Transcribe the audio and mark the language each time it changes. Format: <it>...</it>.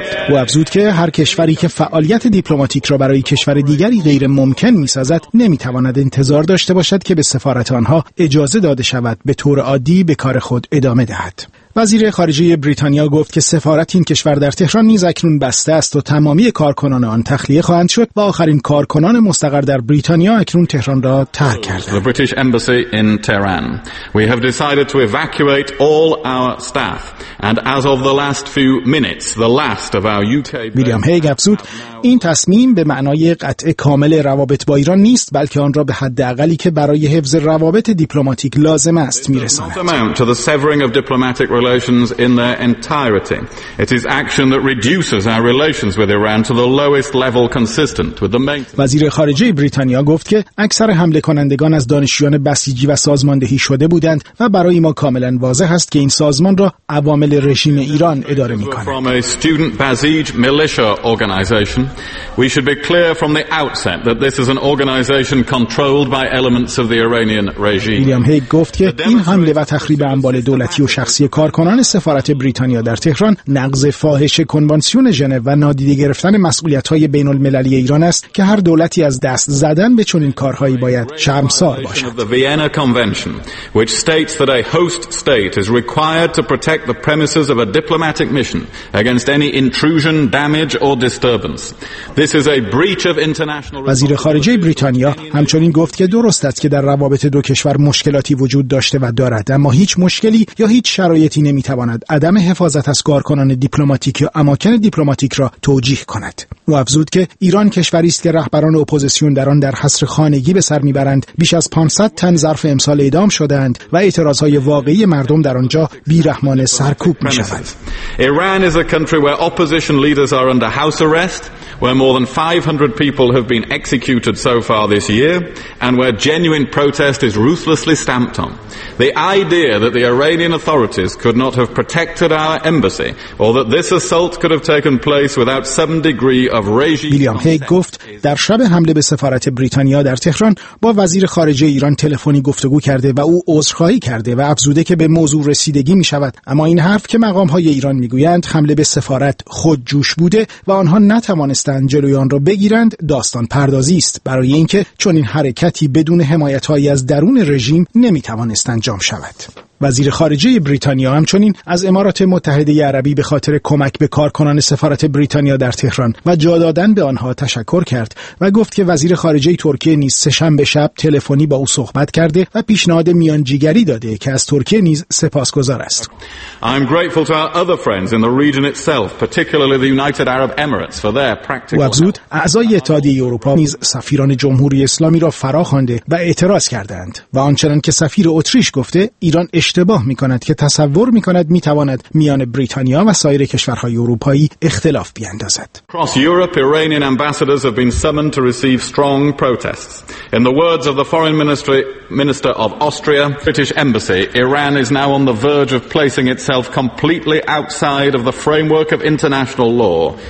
<fa>و افزود که هر کشوری که فعالیت دیپلماتیک را برای کشور دیگری غیر ممکن می‌سازد نمی‌تواند انتظار داشته باشد که به سفارت آنها اجازه داده شود به طور عادی به کار خود ادامه دهد. وزیر خارجه بریتانیا گفت که سفارت این کشور در تهران نیز اکنون بسته است و تمامی کارکنان آن تخلیه خواهند شد و آخرین کارکنان مستقر در بریتانیا اکنون تهران را ترک کردند.</fa> <en>The British Embassy in Tehran. We have decided to evacuate all our staff and as of the last few minutes the last of our UK.</en> <fa>ویلیام هیگ افزود این تصمیم به معنای قطع کامل روابط با ایران نیست، بلکه آن را به حد اقلی که برای حفظ روابط دیپلماتیک لازم است می‌رساند.</fa> <en>Relations in their entirety. It is action that reduces our relations with Iran to the lowest level consistent with the maintenance.</en> <fa>وزیر خارجه بریتانیا گفت که اکثر حمله کنندگان از دانشجویان بسیجی و سازماندهی شده بودند و برای ما کاملا واضح است که این سازمان را عوامل رژیم ایران اداره می‌کند.</fa> <en>From a student Basij militia organization, we should be clear from the outset that this is an organization controlled by elements of the Iranian regime.</en> <fa>ویلیام هیگ گفت که این حمله و تخریب اموال دولتی و شخصی کارکنان سفارت بریتانیا در تهران نقض فاحشه کنوانسیون ژنو و نادیده گرفتن مسئولیت‌های بین‌المللی ایران است که هر دولتی از دست زدن به چنین کارهایی باید شرمسار باشد.</fa> <en>The Vienna Convention which states that a host state is required to protect the premises of a diplomatic mission against any intrusion, damage or disturbance. This is a breach of international.</en> <fa>وزیر خارجه بریتانیا همچنین گفت که درست است که در روابط دو کشور مشکلاتی وجود داشته و دارد، اما هیچ مشکلی یا هیچ شرایطی نمیتواند عدم حفاظت از کارکنان دیپلماتیک یا اماکن دیپلماتیک را توجیه کند. او افزود که ایران کشوری است که رهبران اپوزیسیون در آن در حصر خانگی به سر میبرند، بیش از 500 تن ظرف امسال اعدام شدند و اعتراضهای واقعی مردم در آنجا بیرحمانه سرکوب میشود.</fa> <en>Iran is a country where opposition leaders are under house arrest, where more than 500 people have been executed so far this year, and where genuine protest is ruthlessly stamped on. The idea that the Iranian authorities could not have protected our embassy, or that this assault could have taken place without some degree of regime...</en> <fa>ویلیام هیگ گفت در شب حمله به سفارت بریتانیا در تهران با وزیر خارجه ایران تلفنی گفتگو کرده و او عذرخواهی کرده و افزوده که به موضوع رسیدگی می شود. اما این حرف که مقام های ایران می گویند حمله به سفارت خود جوش بوده و آنها نتوانستند جلوی آن را بگیرند داستان پردازی است، برای اینکه چون این حرکتی بدون حمایت هایی از درون رژیم نمی توانست انجام شود. وزیر خارجه بریتانیا همچنین از امارات متحده عربی به خاطر کمک به کارکنان سفارت بریتانیا در تهران و جا دادن به آنها تشکر کرد و گفت که وزیر خارجه ترکیه نیز سه‌شنبه شب تلفنی با او صحبت کرده و پیشنهاد میانجیگری داده که از ترکیه نیز سپاسگزار است.</fa> <en>I'm grateful to our other friends in the region itself, particularly the United Arab Emirates for their practical.</en> <fa>و افزود اعضای اتحادیه اروپا نیز سفیران جمهوری اسلامی را فراخوانده و اعتراض کردند و آنچنان که سفیر اتریش گفته ایران اشتباه میکند که تصور میکند میتواند میان بریتانیا و سایر کشورهای اروپایی اختلاف بیاندازد.</fa> <en>Across Europe, Iranian ambassadors have been summoned to receive strong protests. In the words of the foreign minister of Austria, British embassy, Iran is now on the verge of placing itself completely outside of the framework of international law.</en>